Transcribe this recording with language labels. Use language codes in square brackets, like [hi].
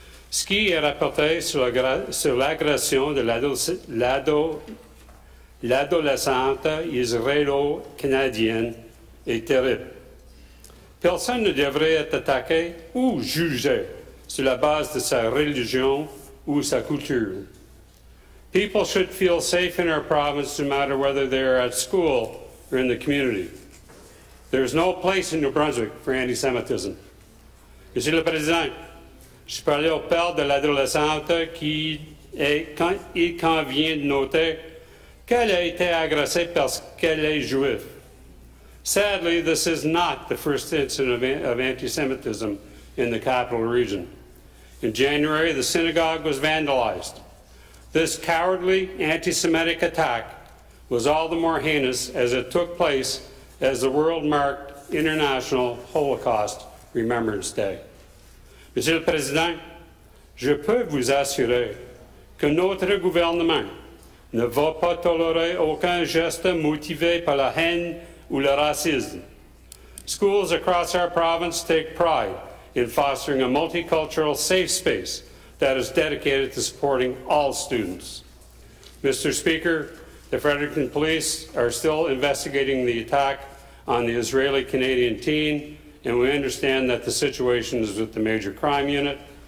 [fr] Ce qui est rapporté sur l'agression de l'adolescente israélo-canadienne est terrible. Personne ne devrait être attaqué ou jugé sur la base de sa religion ou sa culture. [en] People should feel safe in our province no matter whether they are at school or in the community. There is no place in New Brunswick for anti-Semitism. [fr] Monsieur le Président, je parlais au père de l'adolescente qui est, il convient de noter qu'elle a été agressée parce qu'elle est juive. [en] Sadly, this is not the first incident of anti-Semitism in the capital region. In January, the synagogue was vandalized. This cowardly anti-Semitic attack was all the more heinous as it took place as the world marked International Holocaust Remembrance Day. [fr] Monsieur le Président, je peux vous assurer que notre gouvernement ne va pas tolérer aucun geste motivé par la haine ou le racisme. [en] Schools across our province take pride in fostering a multicultural safe space that is dedicated to supporting all students. Mr. Speaker, the Fredericton police are still investigating the attack on the Israeli-Canadian teen, and we understand that the situation is with the Major Crime Unit.